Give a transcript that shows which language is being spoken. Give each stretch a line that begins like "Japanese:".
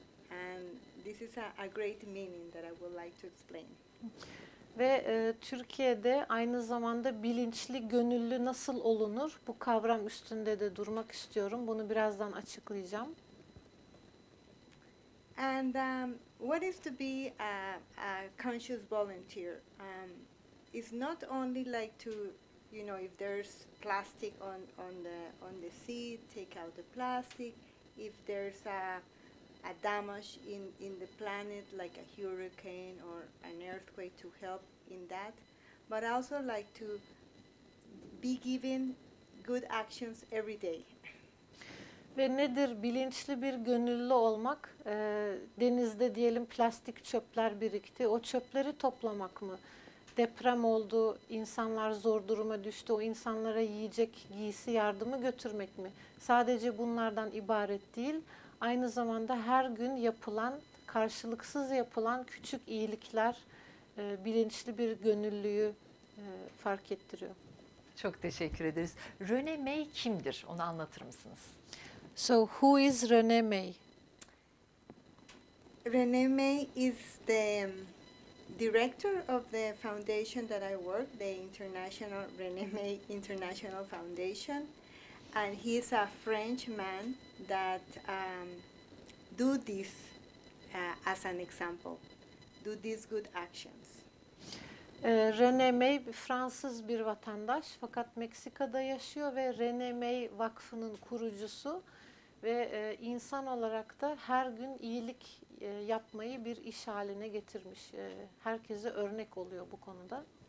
English: And this is a great meaning that I would like to explain.
Turkish: Ve Türkiye'de aynı zamanda bilinçli, gönüllü nasıl olunur? Bu kavram üstünde de durmak istiyorum. Bunu birazdan açıklayacağım.
English: And what is to be a conscious volunteer? It's not only like to, you know, if there's plastic on the sea, take out the plastic. If there's a damage in the planet, like a hurricane or an earthquake, to help in that, but also like to be given good actions every day.
Turkish: Ve nedir bilinçli bir gönüllü olmak? Denizde diyelim plastik çöpler birikti. O çöpleri toplamak mı? Deprem oldu, insanlar zor duruma düştü. O insanlara yiyecek, giysi, yardımı götürmek mi? Sadece bunlardan ibaret değil. Aynı zamanda her gün yapılan, karşılıksız yapılan küçük iyilikler bilinçli bir gönüllüyü fark ettiriyor. Çok teşekkür ederiz. Rene May kimdir? Onu anlatır mısınız?
English: So who is Rene May? Rene May is the director of the foundation that I work, the International Rene May International Foundation, and he is a French man that do this as an example, do these good actions.
Turkish: Rene May Fransız bir vatandaş fakat Meksika'da yaşıyor ve Rene May Vakfı'nın kurucusu ve insan olarak da her gün iyilik yapmayı bir iş haline getirmiş. Herkese örnek oluyor bu konuda.